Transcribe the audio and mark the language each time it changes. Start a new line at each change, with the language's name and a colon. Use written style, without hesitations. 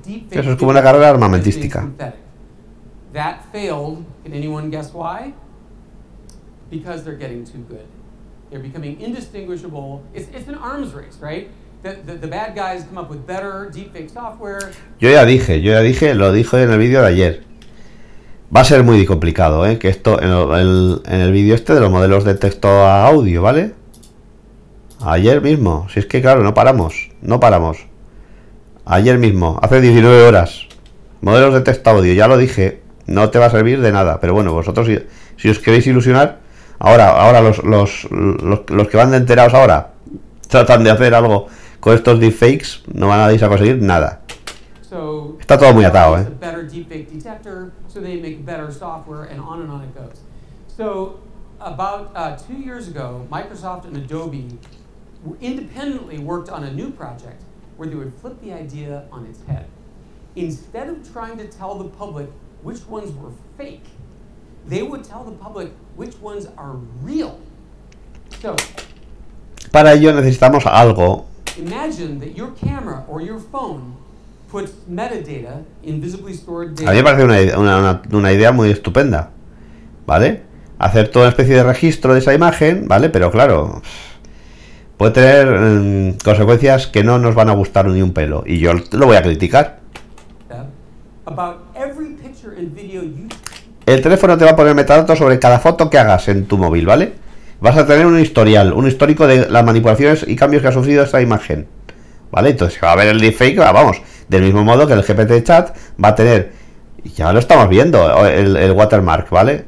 Spanish: Eso es como una carrera armamentística.
English: That failed. Can anyone guess why? Because they're getting too good. They're becoming indistinguishable. It's an arms race, right? The bad guys come up with better deepfake software.
Spanish: Yo ya dije, lo dije en el vídeo de ayer. Va a ser muy complicado, ¿eh? Que esto en el vídeo este de los modelos de texto a audio, ¿vale? Ayer mismo, si es que claro, no paramos. Ayer mismo, hace 19 horas. Modelos de texto a audio, ya lo dije, no te va a servir de nada, pero bueno, vosotros si os queréis ilusionar, ahora los que van de enterados ahora tratan de hacer algo con estos deepfakes, no van a conseguir nada. Está todo muy atado, ¿eh?
English: Better deepfake detector, so they make better software, and on it goes. So about 2 years ago, Microsoft and Adobe independently worked on a new project where they would flip the idea on its head. Instead of trying to tell the public which ones were fake, they would tell the public which ones are real. So,
Spanish: para ello necesitamos algo.
English: Imagine that your camera or your phone puts metadata, invisibly stored data.
Spanish: A mí me parece una idea muy estupenda, ¿vale? Hacer toda una especie de registro de esa imagen, ¿vale? Pero claro, puede tener consecuencias que no nos van a gustar ni un pelo, y yo lo voy a criticar.
English: About every picture and video you...
Spanish: El teléfono te va a poner metadatos sobre cada foto que hagas en tu móvil, ¿vale? Vas a tener un historial, un histórico de las manipulaciones y cambios que ha sufrido esa imagen, ¿vale? Entonces va a haber el deepfake, vamos, del mismo modo que el GPT chat va a tener, ya lo estamos viendo, el watermark, ¿vale?